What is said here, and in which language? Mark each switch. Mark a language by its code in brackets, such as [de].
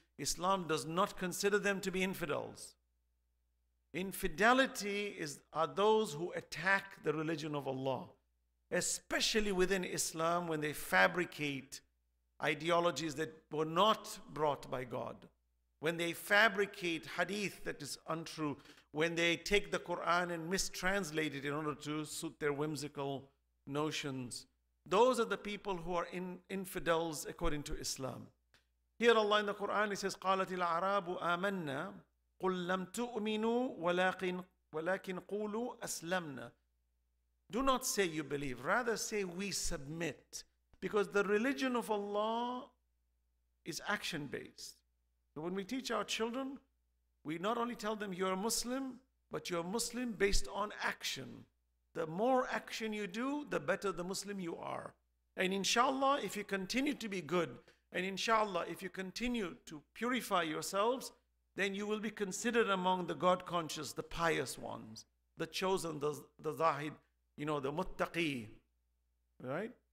[en] Islam does not consider them to be infidels. Infidelity are those who attack the religion of Allah, especially within Islam when they fabricate ideologies that were not brought by God. When they fabricate hadith that is untrue, when they take the Quran and mistranslate it in order to suit their whimsical notions. Those are the people who are infidels according to Islam. Here Allah in the Quran, it says, [ar] قَالَتِ الْعَرَابُ آمَنَّا قُلْ لَمْ تُؤْمِنُوا وَلَكِنْ قُولُوا أَسْلَمْنَا. [en] Do not say you believe. Rather say we submit. Because the religion of Allah is action-based. So when we teach our children, we not only tell them you're a Muslim, but you're a Muslim based on action. The more action you do, the better the Muslim you are. And inshallah, if you continue to be good, and inshallah, if you continue to purify yourselves, then you will be considered among the God-conscious, the pious ones, the chosen, the zahid, you know, the muttaqi, right?